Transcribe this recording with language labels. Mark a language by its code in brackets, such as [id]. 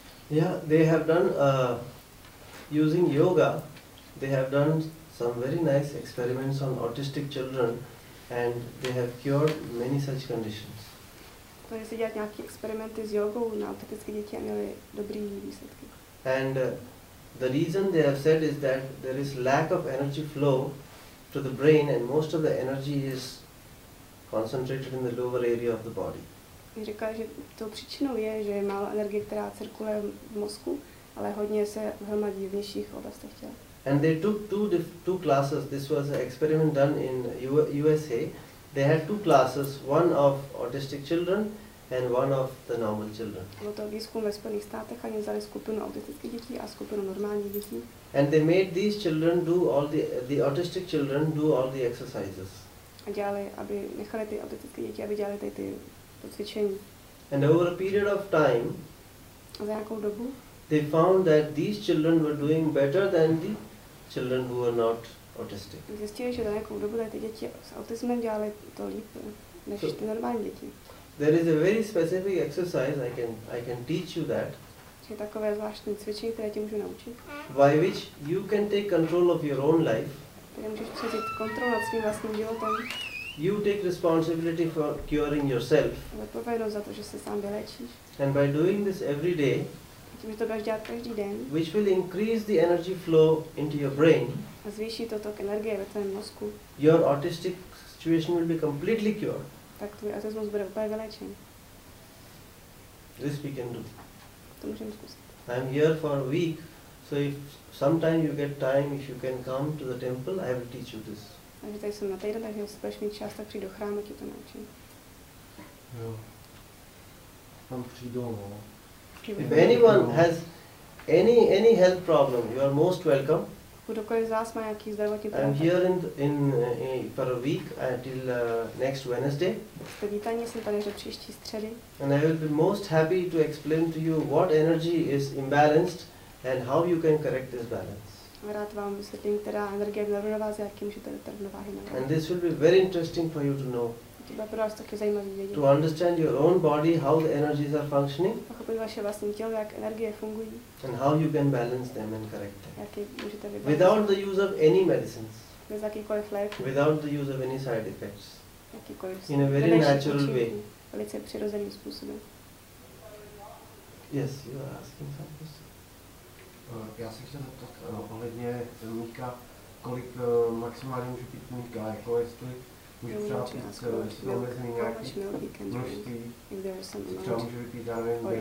[en] Yeah, they have done, using yoga, they have done some very nice experiments on autistic children. And they have cured many such conditions. [cs] Takže si dělat nějaké experimenty s jogou na autistické děti a měli dobrý výsledky. [en] And the reason they have said is that there is lack of energy flow to the brain and most of the energy is concentrated in the lower area of the body. [cs] Říká, že to příčinou je, že je málo energie, která cirkuluje v mozku, ale hodně se hromadí v nižších oblastech těla. [en] And they took two classes. This was an experiment done in USA. They had two classes, one of autistic children and one of the normal children. [cs] Bylo to výzkum ve Spojených státech a oni vzali skupinu autistických dětí a skupinu normálních dětí. [en] And they made these children do all the autistic children do all the exercises. [cs] A dělali, aby nechali ty autistické děti, aby dělali ty cvičení. [en] And over a period of time, [cs] za nějakou dobu, [en] they found that these children were doing better than the children who were not autistic. [cs] Zjistili, že za nějakou dobu ty děti s autismem dělali to líp než ty normální děti. [en] There is a very specific exercise I can teach you that. [cs] Je takové zvláštní cvičení, které tě můžu naučit. [en] By which you can take control of your own life. [cs] Ty můžeš přijít kontrolu nad svým vlastním životem. [en] You take responsibility for curing yourself. [cs] Zodpovědnost za to, že se sám vylečíš. [en] And by doing this every day. [cs] Když to budeš dělat každý den. [en] Which will increase the energy flow into your brain. [cs] A zvýší to tok energie ve tvém mozku. [en] Your autistic situation will be completely cured. [cs] Tak tvůj autismus bude úplně vylečen. [en] This we can do. [cs] To můžeme zkusit. [en] I am here for a week, so if sometime you get time, if you can come to the temple, I will teach you this. [cs] Takže tady jsem na týden, takže jestli budeš mít čas, tak přijdu do chrámu, ti to naučím. Jo. Tam přijdu, no. [en] If anyone has any health problem, you are most welcome. [cs] Kdokoliv z vás má nějaký zdravotní problém. [en] I'm here in for a week until next Wednesday. [cs] Jste vítáni, jsem tady do příští středy. [en] And I will be most happy to explain to you what energy is imbalanced and how you can correct this balance. [cs] Rád vám vysvětlím, která energie je v nerovnováze, jak ji můžete dostat do rovnováhy. [en] And this will be very interesting for you to know. [cs] Bude pro vás taky zajímavý vědět. [en] To understand your own body, how the energies are functioning. [cs] Pochopit vaše vlastní tělo, jak energie fungují. [en] And how you can balance them and correct them. [cs] Jak je můžete vybalancovat. [en] Without the use of any medicines. [cs] Bez jakýkoliv léků. [en] Without the use of any side effects. [cs] Jakýkoliv. [en] In a very natural way. [cs] Velice přirozeným způsobem. [en] Yes, you are asking some questions. [cs] Já se chtěl zeptat ohledně mlíka, kolik maximálně může pít mlíka, jako jestli můžu třeba pít, jestli je omezený nějaký množství, třeba může vypít zároveň